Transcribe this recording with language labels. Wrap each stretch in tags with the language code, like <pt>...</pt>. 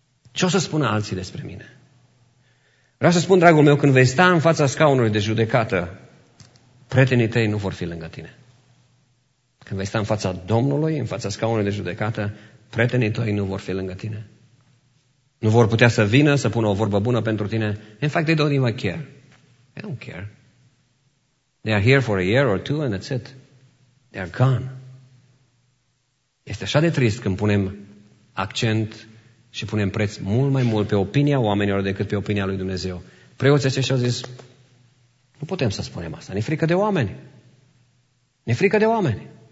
<ro>Ce o să spună alții despre mine? Vreau să spun, dragul meu, când vei sta în fața scaunului de judecată, prietenii tăi nu vor fi lângă tine. Când vei sta în fața Domnului, în fața scaunului de judecată, prietenii tăi nu vor fi lângă tine. Nu vor putea să vină, să pună o vorbă bună pentru tine.</ro> <en>In fact, they don't even care. They don't care. They are here for a year or two and that's it. They are gone.</en> <ro>Este așa de trist când punem accent și punem preț mult mai mult pe opinia oamenilor decât pe opinia lui Dumnezeu. Preoții aceștia au zis, nu putem să spunem asta, ne frică de oameni. Ne frică de oameni.</ro>